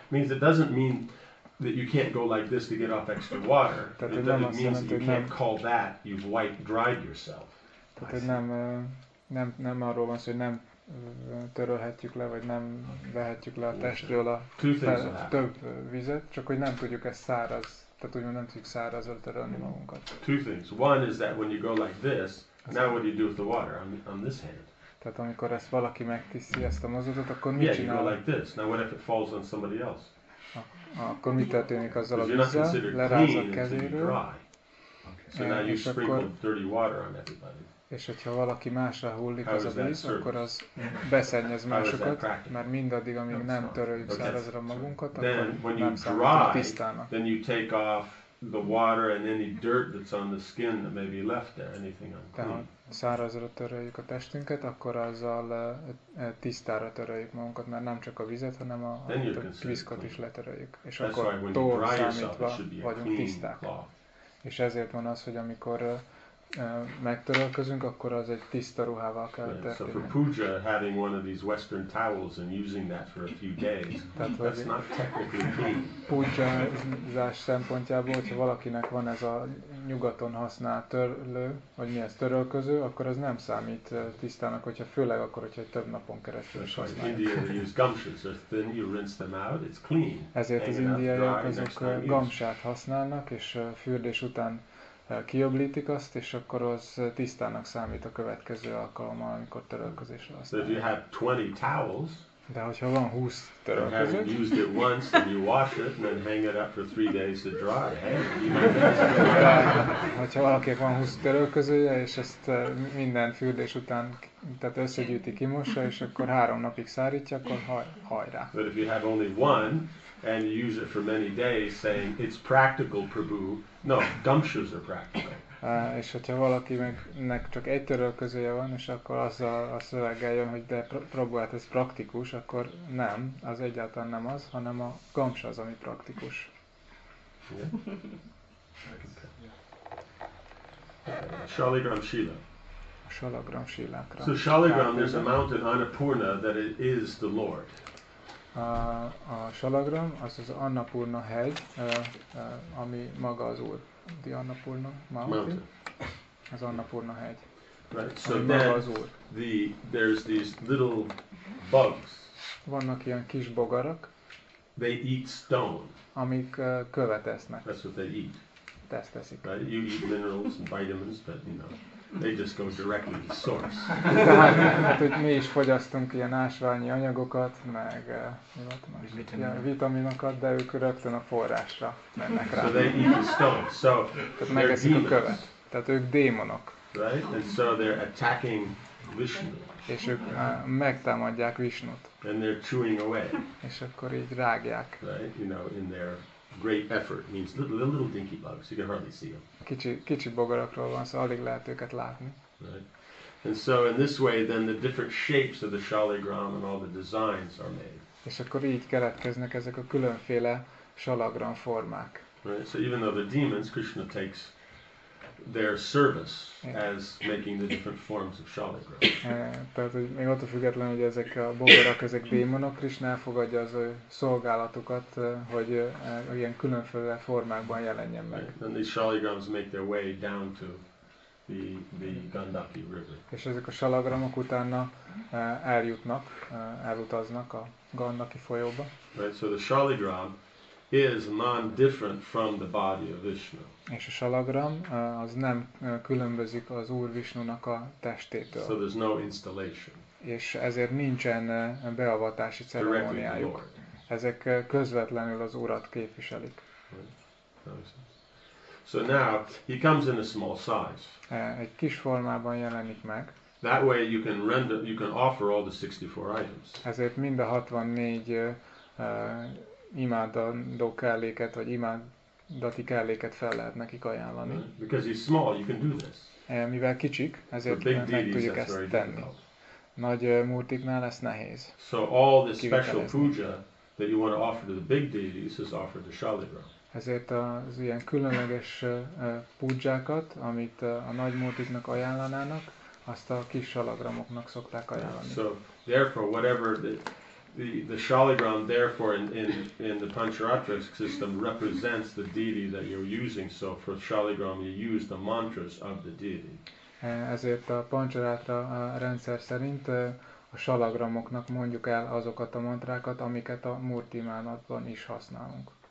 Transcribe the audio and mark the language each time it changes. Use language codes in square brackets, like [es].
[en] Means it doesn't mean that you can't go like this to get off extra water. [hu] Tehát [en] it [hu] nem [en] means that you can't call that you've wiped, dried yourself. [hu] Tehát, hogy nem arról van szó, hogy nem törölhetjük le, vagy nem vehetjük le a testről a több vizet, csak hogy nem tudjuk ezt száraz, tehát úgymond nem tudjuk szárazra törölni magunkat. [en] Two things. One is that when you go like this, now what do you do with the water on this hand? [hu] Tehát amikor ezt valaki megtiszi ezt a mozdulatot, akkor mit csinál? [en] Yeah, you go like this. Now what if it falls on somebody else? [hu] Akkor mi történik azzal a vízzel? Leráz a kezéről. [en] So now you sprinkle dirty water on everybody. [hu] És hogyha valaki másra hullik az a víz, akkor az beszennyez másokat, mert mindaddig, amíg nem töröljük szárazra magunkat, akkor [en] then when [hu] nem számítunk tisztának. Tehát szárazra töröljük a testünket, akkor azzal tisztára töröljük magunkat, mert nem csak a vizet, hanem a vízkot is letöröljük. És [en] that's [hu] akkor tól számítva vagyunk tiszták. És ezért van az, hogy amikor megtörölközünk, akkor az egy tiszta ruhával kell történni. [en] Yeah, so for puja, having one of these western towels and using that for a few days, that's not technically clean. [hu] Pujjázás szempontjából, hogyha valakinek van ez a nyugaton használt törlő, vagy mi ez, törölköző, akkor az nem számít tisztának, hogyha főleg akkor, hogyha egy több napon keresztül is használják. [en] India, they use gumshoes, they're thin, you rinse them out, it's clean. [hu] Ezért az indiaiak azok gamsát használnak, és fürdés után kiöblítik azt, és akkor az tisztának számít a következő alkalommal, amikor törölközésre használják. [en] So if you have 20 towels, [hu] de hogyha van 20 törölközőt, [en] and haven't used it once, and you wash it, and then hang it up for 3 days to dry, hey, [hu] hogyha valakinek van 20 törölközője, és ezt minden fürdés után, tehát összegyűjti, kimossa, és akkor 3 napig szárítja, akkor hajrá. [en] But if you have only one, and you use it for many days, saying, it's practical, Prabhu. No, gumshoes are practical. [hu] És hogyha valakinek csak egy törölközője van, és akkor azzal a szöveggel jön, hogy de próbált ez praktikus, akkor nem, az egyáltalán nem az, hanem a gamsa az, ami praktikus. [en] Shaligram Shila. [hu] A Shaligram Shilakra. [en] So Shaligram, there's a mountain Annapurna that it is the Lord. [hu] A Shaligram, az az Annapurna hegy, ami maga az Úr. [en] The Annapurna mountain. [hu] Az Annapurna hegy. [en] Right. So then there's these little bugs. [hu] Vannak ilyen kis bogarak. [en] They eat stone. [hu] Amik követ esznek. [en] That's what they eat. [hu] Ezt eszik. [en] Right. You eat minerals and vitamins, but you know, they just go directly to source. [hu] Hát, hogy mi is fogyasztunk ilyen ásványi anyagokat, meg mi volt más? Ilyen vitaminokat, de ők rögtön a forrásra mennek rá. [en] So they eat the stone. So [hu] tehát megeszik a követ. Tehát ők démonok. [en] Right? And so they're attacking Vishnu. [hu] És ők megtámadják Vishnut. [en] And they're chewing away. [hu] És akkor így rágják. [en] Right? You know, in their great effort means little dinky bugs. You can hardly see them. [hu] Kicsi bogarakról van, szóval alig lehet őket látni. [en] Right. And so in this way, then the different shapes of the Shaligram and all the designs are made. [hu] És akkor így keletkeznek ezek a különféle Shaligram formák. [en] Right. So even though the demons, Krishna takes their service as making the different forms of Shaligram. [hu] Tehát hogy még attól függetlenül, hogy ezek a bogarak, ezek démonok, Krishna elfogadja az ő szolgálatukat, hogy ilyen különféle formákban jelenjen meg. [en] Right. And these Shaligrams make their way down to the Gandaki River. [hu] És ezek a Shaligramok utána eljutnak, elutaznak a Gandaki folyóba. [en] Right. So the Shaligram is non-different from the body of Vishnu. [hu] És a Shaligram az nem különbözik az Úr Vishnunak a testétől. [en] So there's no installation. [hu] És ezért nincsen beavatási ceremóniájuk. Ezek közvetlenül az Urat képviselik. [en] So now he comes in a small size. [hu] Egy kis formában jelenik meg. [en] That way you can render, you can offer all the 64 items. [hu] Ezért mind a 64 imádandó kelléket, vagy imádati kelléket fel lehet nekik ajánlani. [en] Right? Because he's small, you can do this. [hu] Mivel kicsik, ezért meg tudjuk ezt tenni. Nagy murtiknál lesz nehéz. [en] So all this special puja that you want to offer to the big deities is offered to Shaligram. [hu] Ezért az ilyen különleges pujjákat, amit a nagy murtiknak ajánlanának, azt a kis salagramoknak szokták ajánlani. [en] So therefore, whatever the Shaligram, therefore in the Pancharatra system represents the deity that you're using. So for Shaligram, you use the mantras of the deity. [hu] Ezért a Pancharatra rendszer szerint a salagramoknak mondjuk el azokat a mantrákat, amiket a murti imánatban is használunk.